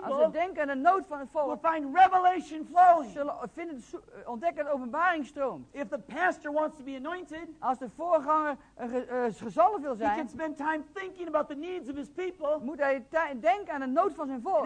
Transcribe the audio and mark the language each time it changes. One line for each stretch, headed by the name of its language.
Dutch: als ze denken aan de nood van het volk,
English: will find revelation flowing.
Dutch: Zullen ontdekken dat openbaring stroomt.
English: If the pastor wants to be anointed,
Dutch: als de voorganger gezalfd wil zijn,
English: he can spend time thinking about the needs of his people.
Dutch: Moet hij denken aan de nood van zijn volk.